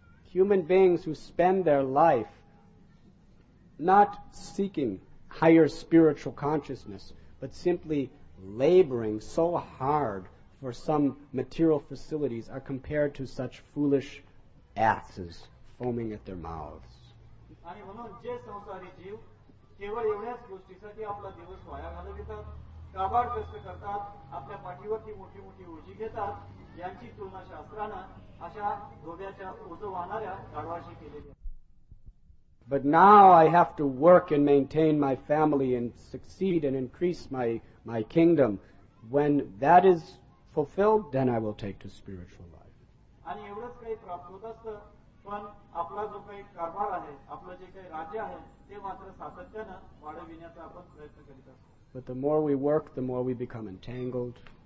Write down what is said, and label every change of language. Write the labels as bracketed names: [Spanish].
[English] Human beings who spend their life not seeking higher spiritual consciousness, but simply laboring so hard for some material facilities, are compared to such foolish asses foaming at their mouths. [Marathi] आणि म्हणून जे संसारी जीव केवळ एवढ्याच गोष्टीसाठी आपला दिवस वाया घालवितात, काबाड कष्ट करतात, आपल्या पाठीवरती मोठी मोठी ओझी घेतात, यांची तुलना शास्त्रानं अशा धोब्याच्या ओझं वाहणाऱ्या गाढवाशी केलेली आहे. [English] But now I have to work and maintain my family and succeed and increase my kingdom. When that is fulfilled, then I will take to spiritual life. [Marathi] आणि एवढंच काही प्राप्त होत असतं. [English] But the more we work, the more we become entangled.